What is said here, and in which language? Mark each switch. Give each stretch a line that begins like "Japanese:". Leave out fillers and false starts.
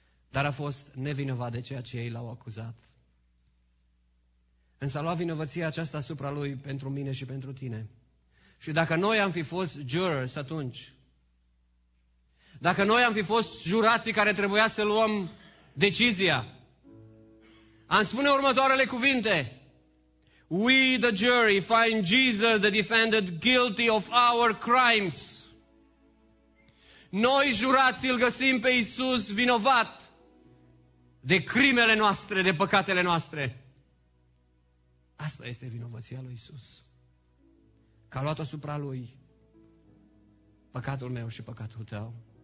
Romanian: Dar a fost nevinovat de ceea ce ei l-au acuzat. Însă a luat vinovăția aceasta asupra lui pentru mine și pentru tine. Și dacă noi am fi fost jurors atunci, dacă noi am fi fost jurații care trebuia să luăm decizia, am spune următoarele cuvinte.
English: We, the jury, find Jesus, the defendant, guilty of our crimes.
Romanian: Noi, jurații, îl găsim pe Iisus vinovat de crimele noastre, de păcatele noastre. Asta este vinovăția lui Iisus. Că a luat asupra lui păcatul meu și păcatul tău.